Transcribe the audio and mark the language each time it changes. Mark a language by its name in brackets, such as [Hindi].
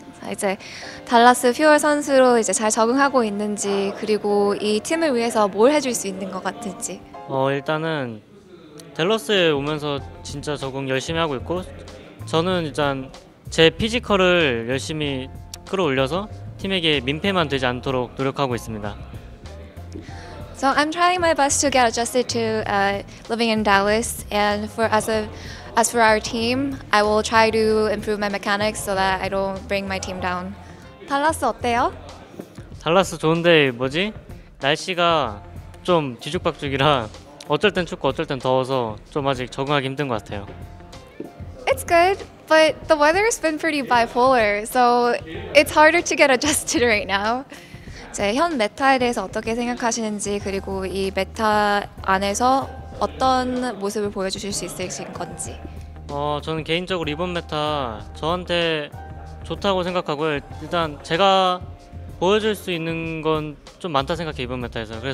[Korean] 이제 달라스 퓨얼 선수로 이제 잘 적응하고 있는지, 그리고 이 팀을 위해서 뭘 해줄 수 있는 것 같은지. 일단은 댈러스에 오면서 진짜 적응 열심히 하고 있고, 저는 일단 제 피지컬을 열심히 끌어올려서 팀에게 민폐만 되지 않도록 노력하고 있습니다. [English] So I'm trying my best to get adjusted to living in Dallas, and for as for our team, I will try to improve my mechanics so that I don't bring my team down. [Korean] 달라스 어때요? 달라스 좋은데 뭐지? 날씨가 좀 뒤죽박죽이라 어쩔 땐 춥고 어쩔 땐 더워서 좀 아직 적응하기 힘든 것 같아요. [English] It's good, but the weather has been pretty bipolar, so it's harder to get adjusted right now. [Korean] 이제 현 메타에 대해서 어떻게 생각하시는지, 그리고 이 메타 안에서 어떤 모습을 보여주실 수 있으신 건지. 저는 개인적으로 이번 메타 저한테 좋다고 생각하고요. 일단 제가 보여줄 수 있는 건좀 많다 생각해 이번 메타에서.